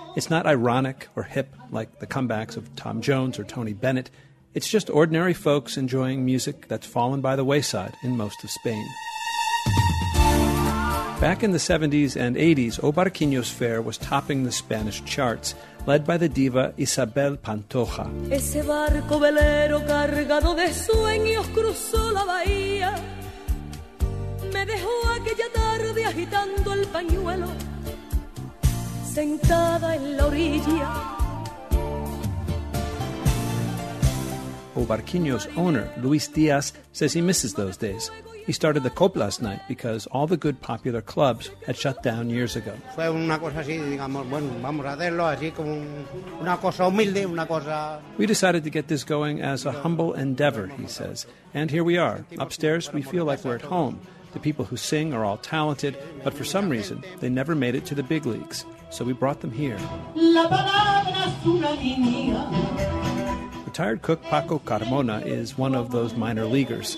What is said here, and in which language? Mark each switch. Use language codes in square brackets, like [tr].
[en] It's not ironic or hip like the comebacks of Tom Jones or Tony Bennett. It's just ordinary folks enjoying music that's fallen by the wayside in most of Spain. Back in the 70s and 80s, O Barquiño's fare was topping the Spanish charts, led by the diva Isabel Pantoja. [es] Ese barco velero cargado de sueños cruzó la bahía. Me dejó aquella tarde agitando el pañuelo, sentada en la orilla. [en] O Barquiño's owner, Luis Diaz, says he misses those days. He started the Cope last night because all the good popular clubs had shut down years ago. [es] Fue una cosa así, digamos, bueno, vamos a hacerlo así como una cosa humilde, una cosa... [en] We decided to get this going as a humble endeavor, he says. And here we are. Upstairs, we feel like we're at home. The people who sing are all talented, but for some reason, they never made it to the big leagues. So we brought them here. [es] La palabra es una línea. [en] Retired cook Paco Carmona is one of those minor leaguers.